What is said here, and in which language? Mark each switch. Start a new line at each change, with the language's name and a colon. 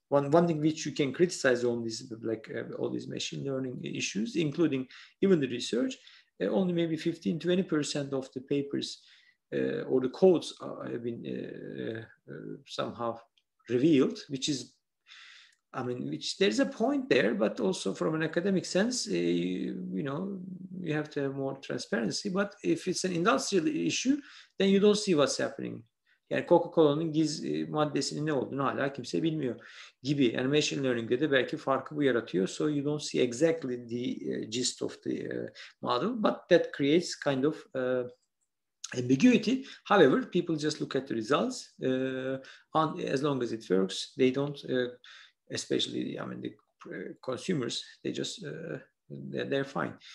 English: One thing which you can criticize on this, like all these machine learning issues, including even the research, only maybe 15-20% of the papers or the codes have been somehow revealed, which is, I mean, which there's a point there, but also from an academic sense, you know, you have to have more transparency. But if it's an industrial issue, then you don't see what's happening.
Turkish: Yani Coca-Cola'nın gizli maddesinin ne olduğunu hala kimse bilmiyor gibi. Yani machine learning'de de belki farkı bu yaratıyor.
English: So you don't see exactly the gist of the model, but that creates kind of ambiguity. However, people just look at the results. And as long as it works, they don't, especially, I mean, the consumers, they just, they're fine.